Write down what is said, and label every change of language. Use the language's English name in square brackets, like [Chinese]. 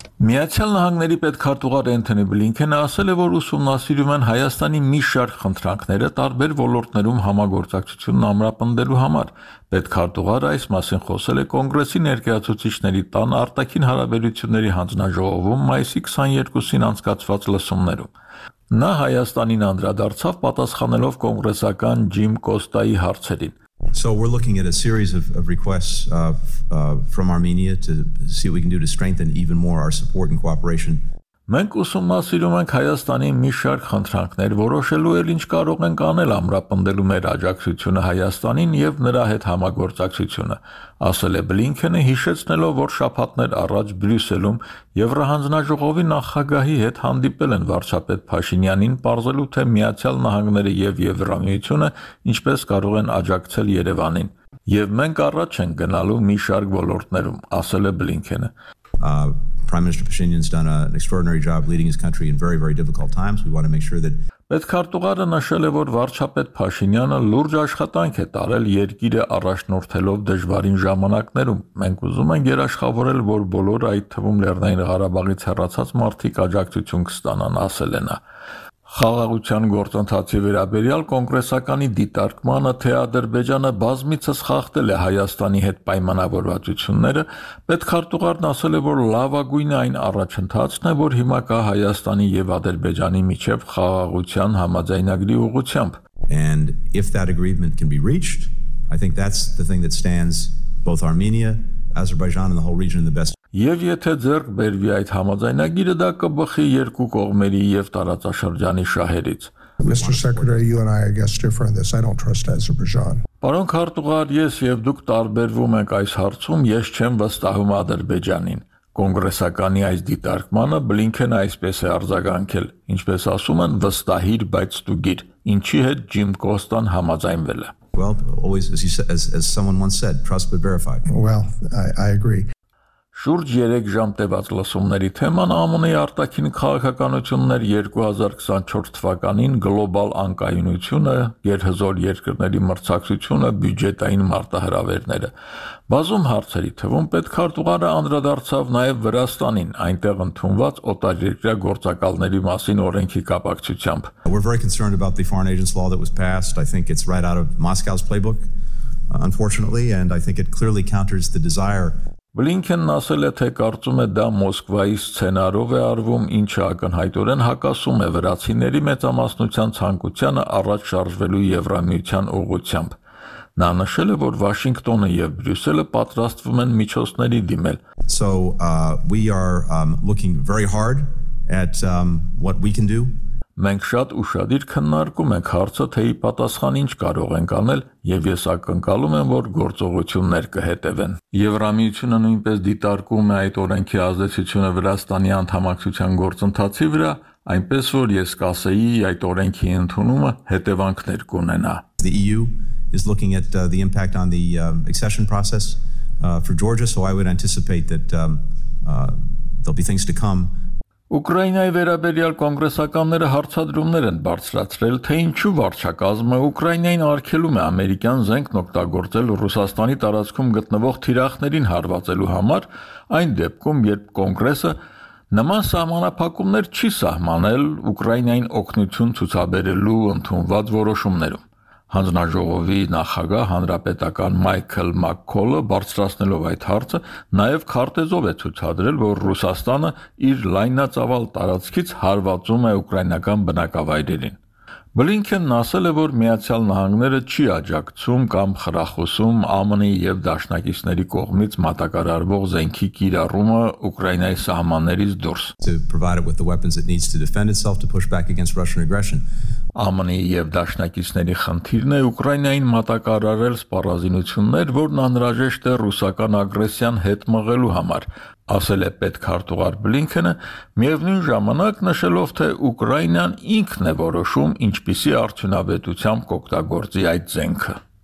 [Armenian] Միացյալ Նահանգների պետքարտուղար Էնթոնի Բլինքենը ասել է, որ ուսումնասիրում են Հայաստանի մի շարք խնդրանքները տարբեր ոլորտներում համագործակցությունն ամրապնդելու համար։ Պետքարտուղարը այս մասին խոսել է Կոնգրեսի ներկայացուցիչների տան արտաքին հարաբերությունների հանձնաժողովում մայիսի 22-ին անցկացված լսումներում։ Նա Հայաստանին անդրադարձավ, պատասխանելով կոնգրեսական Ջիմ Կոստայի հարցերին։ [English] So we're looking at a series of requests from Armenia to see what we can do to strengthen even more our support and cooperation. [Armenian] Մենք ուսումնասիրում ենք Հայաստանի մի շարք խնդրանքներ, որոշելու էլ ինչ կարող ենք անել ամրապնդելու մեր աջակցությունը Հայաստանին եւ նրա հետ համագործակցությունը, ասել է Բլինքենը, հիշեցնելով, որ շաբաթներ առաջ Բրյուսելում Եվրոհանձնաժողովի նախագահի հետ հանդիպել են վարչապետ Փաշինյանին, պարզելու թե Միացյալ Նահանգները եւ Եվրամիությունը ինչպես կարող են աջակցել Երևանին, եւ մենք առաջ ենք գնալու մի շարք ոլորտներում, ասել է Բլինքենը։ [English] Prime Minister Pashinyan's done an extraordinary job leading his country in very, very difficult times. We want to make sure that [Armenian] Պետքարտուղարը նշել է, որ վարչապետ Փաշինյանը լուրջ աշխատանք է տարել երկիրը առաջնորդելով դժվարին ժամանակներում։ Մենք ուզում ենք երաշխավորել, որ բոլորը, այդ թվում Լեռնային Ղարաբաղից հեռացած մարդիկ, աջակցություն կստանան, ասել է նա։ Խաղաղության գործընթացի վերաբերյալ կոնգրեսականի դիտարկմանը, թե Ադրբեջանը բազմիցս խախտել է Հայաստանի հետ պայմանավորվածությունները, պետքարտուղարն ասել է, որ լավագույնը այն առաջընթացն է, որ հիմա կա Հայաստանի եւ Ադրբեջանի միջև խաղաղության համաձայնագրի ուղղությամբ. [English] And if that agreement can be reached, I think that's the thing that stands both Armenia, Azerbaijan and the whole region in the best. [Armenian] Եվ եթե ձեռք բերվի այդ համաձայնագիրը, դա կբխի երկու կողմերի եւ տարածաշրջանի շահերից։ [English] Mr. Secretary, you and I are guests different this. I don't trust Azerbaijan. [Armenian] Պարոն քարտուղար, ես եւ դուք տարբերվում ենք այս հարցում, ես չեմ վստահում Ադրբեջանին։ Կոնգրեսականի այս դիտարկմանը Բլինքենը այսպես է արձագանքել, ինչպես ասում են, վստահիր, բայց ստուգիր, ինչի հետ Ջիմ Կոստան համաձայնվելը։ [English] Well, always as someone once said, trust but verify. Well, I agree. [Armenian] Շուրջ 3 ժամ տևած լսումների թեման ԱՄՆ-ի արտաքին քաղաքականություններ 2024 թվականին, գլոբալ անկայունությունը, երհզոր երկրների մրցակցությունը, բյուջետային մարտահրավերները։ Բազում հարցերի թվում պետք արտուղարը անդրադարձավ նաև Վրաստանին, այնտեղ ընդունված օտարերկրյա գործակալների մասին օրենքի կապակցությամբ։ [English] We're very concerned about the foreign agents law that was passed. I think it's right out of Moscow's playbook, unfortunately, and I think it clearly counters the desire. [Armenian] Բլինքենն ասել է, թե կարծում է դա Մոսկվայի սցենարով է արվում, ինչը ակնհայտորեն հակասում է վրացիների մեծամասնության ցանկությանը առաջ շարժվելու Եվրամիության ուղղությամբ։ Նա նշել է, որ Վաշինգտոնը և Բրյուսելը պատրաստվում են միջոցների դիմել։ [English] So we are looking very hard at what we can do. [Armenian] Մենք շատ ուշադիր քննարկում ենք հարցը, թե ի պատասխան ինչ կարող ենք անել, եւ ես ակնկալում եմ, որ գործողություններ կհետևեն։ Եվրամիությունը նույնպես դիտարկում է այդ օրենքի ազդեցությունը Վրաստանի անդամակցության գործընթացի վրա, այնպես որ ես կասեի, այդ օրենքի ընդունումը հետևանքներ կունենա։ [English] The EU is looking at the impact on the accession process for Georgia, so I would anticipate that there'll be things to come. [Armenian] Ուկրաինայի վերաբերյալ կոնգրեսականները հարցադրումներ են բարձրացրել, թե ինչու վարչակազմը Ուկրաինային արգելում է ամերիկյան զենքն օգտագործել Ռուսաստանի տարածքում գտնվող թիրախներին հարվածելու համար, այն դեպքում, երբ կոնգրեսը նման սահմանափակումներ չի սահմանել Ուկրաինային օգնություն ցուցաբերելու ընդունված որոշումներում։ Հանձնաժողովի նախագահ հանրապետական Մայքլ Մաքոլը բարձրացնելով այդ հարցը նաև քարտեզով է ցույցադրել, որ Ռուսաստանը իր լայնածավալ տարածքից հարվածում է ուկրաինական բնակավայրերին։ Բլինքենն ասել է, որ Միացյալ Նահանգները չի աջակցում կամ խրախուսում ԱՄՆ-ի և Դաշնակիցների կողմից մատակարարվող զենքի կիրառումը Ուկրաինայի սահմաններից դուրս։ [English] To provide it with the weapons it needs to defend itself to push back against Russian aggression. [Armenian] ԱՄՆ-ի և Դաշնակիցների խնդիրն է Ուկրաինային մատակարարել սպառազինություններ, որն անհրաժեշտ է ռուսական ագրեսիան հետ մղելու համար, ասել է պետք հարտուղար Բլինքենը, միևնույն ժամանակ նշելով, թե Ուկրաինան ինքն է որոշում, ինչպիսի արդյունավետությամբ կօգտագործի այդ զենքը։